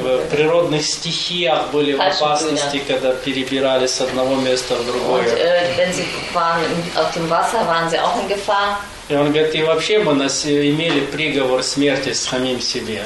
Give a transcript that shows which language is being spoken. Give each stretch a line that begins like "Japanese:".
Russian: природных стихиях были в опасности, когда перебирались с одного места в другое.
German: Und wenn sie waren auf dem Wasser, waren sie auch in Gefahr.
Russian: И он говорит, и вообще мы имели приговор смерти с самим себе.